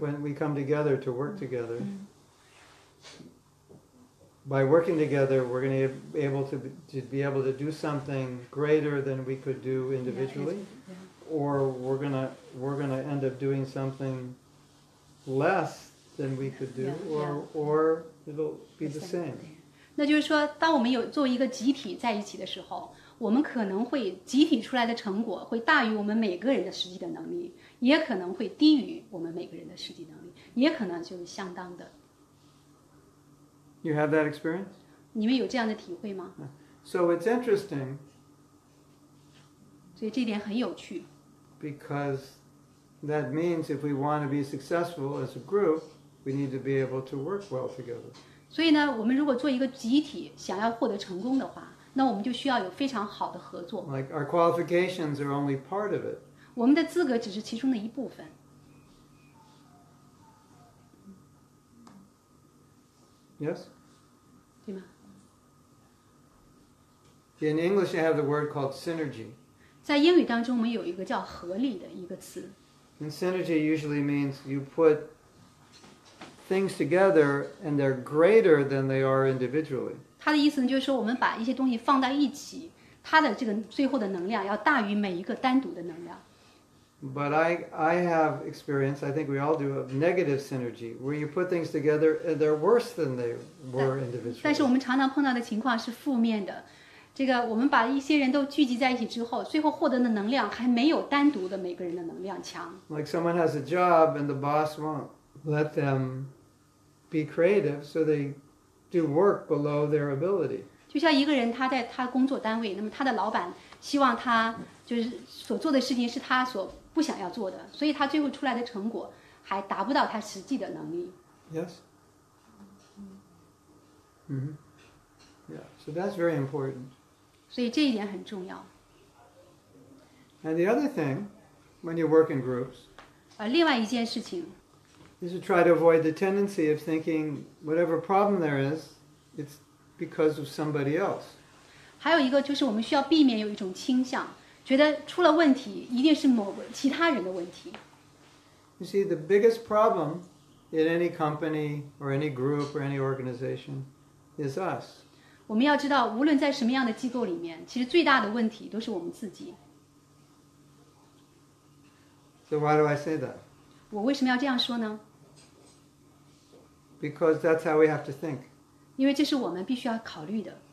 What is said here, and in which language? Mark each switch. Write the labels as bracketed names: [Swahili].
[English] When we come together to work together,By working together, we're going to be able to do something greater than we could do individually, or we're going to end up doing something less than we could do, or it'll be the same. [Chinese] 那就是说，当我们有作为一个集体在一起的时候，我们可能会集体出来的成果会大于我们每个人的实际的能力，也可能会低于我们每个人的实际能力，也可能就相当的。 [English] You have that experience? [Chinese] 你们有这样的体会吗？ [English] So it's interesting. [Chinese] 所以这点很有趣。 [English] Because that means if we want to be successful as a group, we need to be able to work well together. [Chinese] 所以呢，我们如果做一个集体，想要获得成功的话，那我们就需要有非常好的合作。 [English] Like our qualifications are only part of it. [Chinese] 我们的资格只是其中的一部分。 [English] Yes? [Chinese] 对吗? [English] In English, you have the word called synergy. [Chinese] 在英语当中我们有一个叫合力的一个词。 [English] And synergy usually means you put things together and they're greater than they are individually. [Chinese] 它的意思就是说我们把一些东西放在一起，它的这个最后的能量要大于每一个单独的能量。 [English] But I have experience, I think we all do, of negative synergy, where you put things together and they're worse than they were individually. [Chinese] 但是我们常常碰到的情况是负面的。这个我们把一些人都聚集在一起之后，最后获得的能量还没有单独的每个人的能量强。 [English] Like someone has a job and the boss won't let them be creative, so they do work below their ability. [Chinese] 就像一个人他在他工作单位，那么他的老板希望他就是所做的事情是他所不想要做的，所以他最后出来的成果还达不到他实际的能力。 [English] Yes. Yeah, so that's very important. [Chinese] 所以这一点很重要。 [English] And the other thing, when you work in groups, [Chinese] 另外一件事情 [English] is to try to avoid the tendency of thinking whatever problem there is, it's because of somebody else. [Chinese] 还有一个就是我们需要避免有一种倾向，觉得出了问题一定是某其他人的问题。 [English] You see, the biggest problem in any company or any group or any organization is us. [Chinese] 我们要知道，无论在什么样的机构里面，其实最大的问题都是我们自己。 [English] So why do I say that? [Chinese] 我为什么要这样说呢？ [English] Because that's how we have to think. [Chinese] 因为这是我们必须要考虑的。